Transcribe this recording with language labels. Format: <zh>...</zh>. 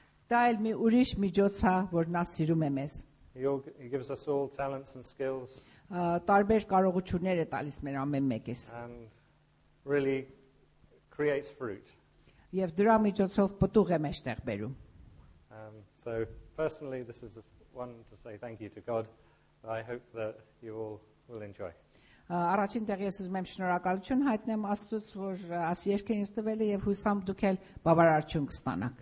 <hy>Դա էլ մի ուրիշ միջոց է, որ նա սիրում է մեզ.</hy> <en>He gives us all talents and skills.</en> <hy>Տարբեր կարողություններ է տալիս մեր ամեն մեկիս.</hy> <en>And really creates fruit.</en> <hy>Եվ դրա միջոցով պտուղ է մեջտեղ բերում.</hy> <en>So personally, this is one to say thank you to God. I hope that you all will enjoy.</en> <hy>Առաջին տեղ ես ուզում եմ շնորհակալություն հայտնեմ Աստծուց, որ այս երգը ինձ տվել է եւ հուսամ դուք էլ բավարարություն կստանաք։</hy>